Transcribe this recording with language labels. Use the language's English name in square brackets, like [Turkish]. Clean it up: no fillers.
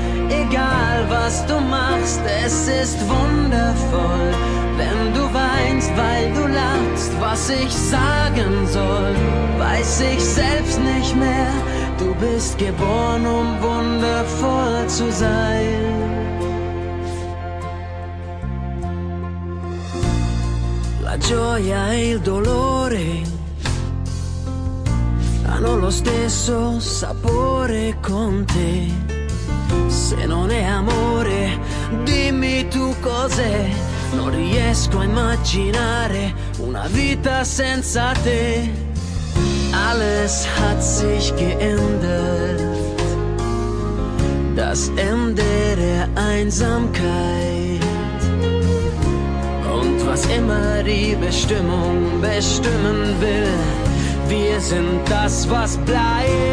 [German] Egal was du machst, es ist wundervoll. Wenn du weinst, weil du lachst, was ich sagen soll, weiß ich selbst nicht mehr. Du bist geboren, um wundervoll zu sein. [Italian] La gioia e il dolore hanno lo stesso sapore con te. Se non è amore, dimmi tu cos'è. Non riesco a immaginare una vita senza te. [German] Alles hat sich geändert, das Ende der Einsamkeit. Und was immer die Bestimmung bestimmen will, wir sind das, was bleibt.